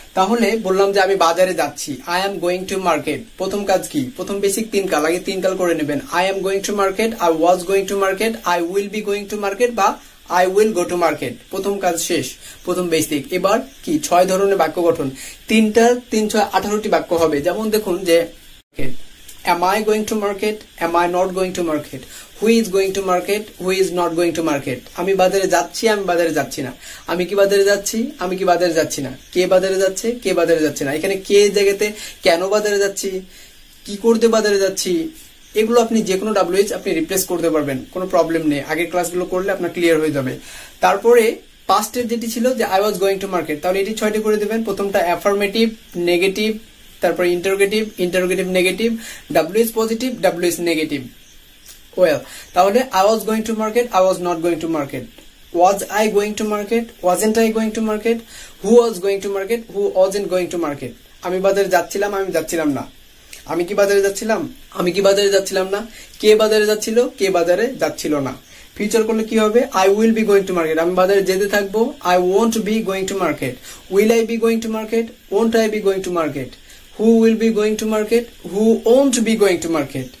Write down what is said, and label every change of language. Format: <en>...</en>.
<bn>তাহলে বললাম যে আমি বাজারে যাচ্ছি,</bn> <en>I am going to market,</en> <bn>প্রথম কাজ কি, প্রথম বেসিক তিনকাল, আগে তিনকাল করে নেবেন,</bn> <en>I am going to market,</en> <bn>I was going to market, I will be going to market, বা</bn> <en>I will go to market,</en> <bn>প্রথম কাজ শেষ, প্রথম বেসিক। এবার কি, 6 ধরনের বাক্য গঠন, 3x3=18টি বাক্য হবে। যেমন দেখুন যে</bn> <en>am I going to market,</en> <bn>am I not going to market, who is going to market, who is not going to market, ami bazare jacchi, ami bazare jacchi na, ami ki bazare jacchi, ami ki bazare jacchi na, ke bazare jacche, ke bazare jacche na, ekhane ke jaygate keno bazare jacchi, ki korte bazare jacchi, এগুলো আপনি যে কোনো wh আপনি replace করতে পারবেন, কোনো problem নেই, আগের ক্লাসগুলো করলে আপনার ক্লিয়ার হয়ে যাবে। তারপরে পাস্টের যেটি ছিল যে</bn> <en>I was going to market,</en> <bn>তাহলে এটি 6টি করে দেবেন, প্রথমটা অ্যাফার্মেটিভ, নেগেটিভ, তারপরে interrogative, interrogative negative, W is positive, W is negative,</bn> <en>Well, তাহলে I was going to market, I was not going to market. Was I going to market, wasn't I going to market? Who was going to market, who wasn't going to market?</en> <bn>আমি বাজারে যাচ্ছিলাম, আমি যাচ্ছিলাম না। আমি কি বাজারে যাচ্ছিলাম, আমি কি বাজারে যাচ্ছিলাম না? কে বাজারে যাচ্ছিল, কে বাজারে যাচ্ছিল না? ফিউচার করলে কি হবে?</bn> <en>I will be going to market,</en> <bn>আমি বাজারে যেতে থাকবো।</bn> <en>I won't be going to market, will I be going to market, won't I be going to market? Who will be going to market, who won't be going to market?</en>